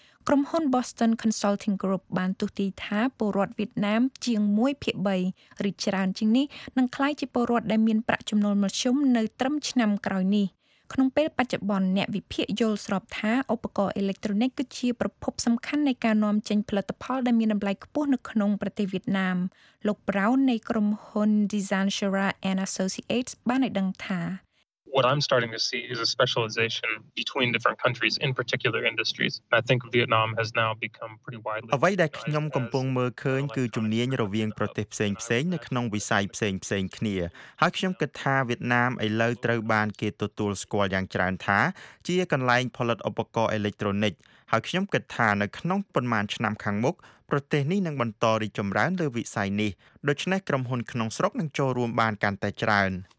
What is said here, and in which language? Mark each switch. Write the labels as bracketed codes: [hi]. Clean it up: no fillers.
[km] ក្រុមហ៊ុន Boston Consulting Group បានទស្សន៍ទាយថាពលរដ្ឋវៀតណាមជាង 1/3 ឬច្រើនជាងនេះនឹងក្លាយជាពលរដ្ឋដែលមានប្រាក់ចំណូលមធ្យមនៅត្រឹមឆ្នាំក្រោយនេះក្នុងពេលបច្ចុប្បន្នអ្នកវិភាគយល់ស្របថាឧបករណ៍អេឡិចត្រូនិកគឺជាប្រភពសំខាន់នៃការនាំចេញផលិតផលដែលមានតម្លៃខ្ពស់នៅក្នុងប្រទេសវៀតណាមលោក Brown នៃក្រុមហ៊ុន Design Shira and Associates បានឲ្យដឹងថា [en] What I'm starting to see is a specialization between different countries in particular industries. And I think Vietnam has now become pretty widely recognized. [km] អ្វីដែលខ្ញុំកំពុងមើលឃើញគឺជំនាញរវាងប្រទេសផ្សេងផ្សេងនៅក្នុងវិស័យផ្សេងផ្សេងគ្នាហើយខ្ញុំគិតថាវៀតណាមឥឡូវត្រូវបានគេទទួលស្គាល់យ៉ាងច្រើនថាជាកន្លែងផលិតឧបករណ៍អេឡិចត្រូនិកហើយខ្ញុំគិតថានៅក្នុងប៉ុន្មានឆ្នាំខាងមុខប្រទេសនេះនឹងបន្តរីកចម្រើនលើវិស័យនេះដូច្នេះក្រុមហ៊ុនក្នុងស្រុកនឹងចូលរួមបានកាន់តែច្រើន